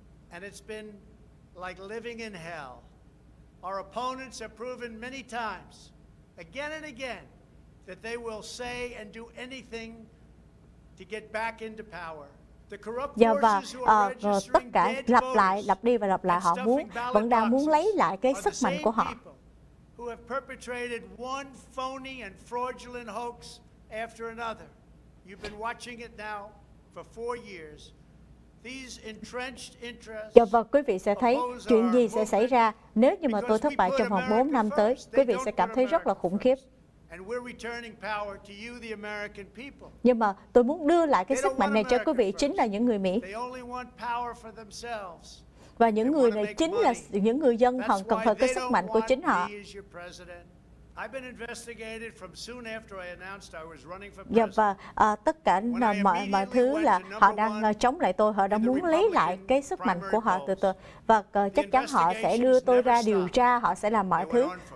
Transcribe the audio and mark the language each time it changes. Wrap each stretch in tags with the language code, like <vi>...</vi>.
<en>And it's been like living in hell. Our opponents have proven many times, again and again, that they will say and do anything to get back into power. The corrupt forces who are registering dead voters.</en> <vi>Tất cả lặp lại, lặp đi và lặp lại, họ muốn, vẫn đang muốn lấy lại cái sức mạnh của họ.</vi> <en>Who have perpetrated one phony and fraudulent hoax after another. You've been watching it now for 4 years. These entrenched interests.</en> <vi>Dạ, và quý vị sẽ thấy chuyện gì sẽ xảy ra nếu như mà tôi thất bại trong vòng 4 năm tới. Quý vị sẽ cảm thấy rất là khủng khiếp.</vi> <en>And we're returning power to you, the American people.</en> <vi>Nhưng mà tôi muốn đưa lại cái sức mạnh này cho quý vị, chính là những người Mỹ.</vi> <en>They only want power for themselves.</en> <vi>Và những người này chính là những người dân, họ cần phải cái sức mạnh của chính họ.</vi> <en>I've been investigated from soon after I announced I was running for president.</en> <vi>Và tất cả mọi thứ là họ đang chống lại tôi, họ đang muốn lấy lại cái sức mạnh của họ từ từ. Và chắc chắn họ sẽ đưa tôi ra điều tra, họ sẽ làm mọi thứ.</vi>